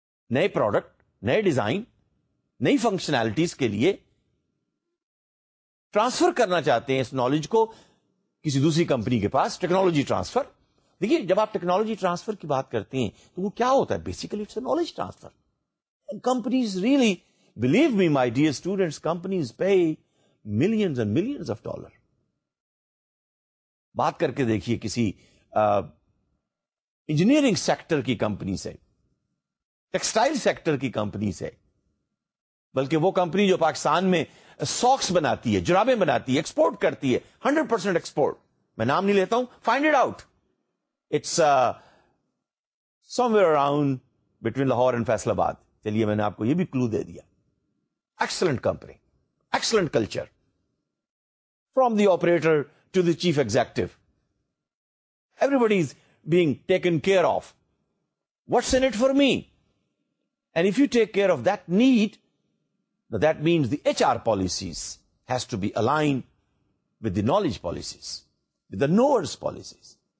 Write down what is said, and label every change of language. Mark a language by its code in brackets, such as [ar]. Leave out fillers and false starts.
[ur] نئے پروڈکٹ, نئے ڈیزائن, نئی فنکشنالٹیز کے لیے ٹرانسفر کرنا چاہتے ہیں اس نالج کو کسی دوسری کمپنی کے پاس, ٹیکنالوجی ٹرانسفر. دیکھیے جب آپ ٹیکنالوجی ٹرانسفر کی بات کرتے ہیں تو وہ کیا ہوتا ہے, [en] Basically it's a knowledge transfer. Companies really, believe me my dear students, companies pay millions and millions of dollar. [ur] بات کر کے دیکھیے کسی انجینئرنگ سیکٹر کی کمپنی سے, ٹیکسٹائل سیکٹر کی کمپنی سے, بلکہ وہ کمپنی جو پاکستان میں ساکس بناتی ہے, جرابیں بناتی ہے, ایکسپورٹ کرتی ہے, 100% ایکسپورٹ, میں نام نہیں لیتا ہوں, [en] Find it out. It's somewhere around between Lahore and Faisalabad. [ur] چلیے میں نے آپ کو یہ بھی کلو دے دیا. [en] Excellent company, excellent culture, from the operator to the chief executive, everybody is being taken care of. What's in it for me? And if you take care of that need, Now that means the HR policies has to be aligned with the knowledge policies, with the knowers policies.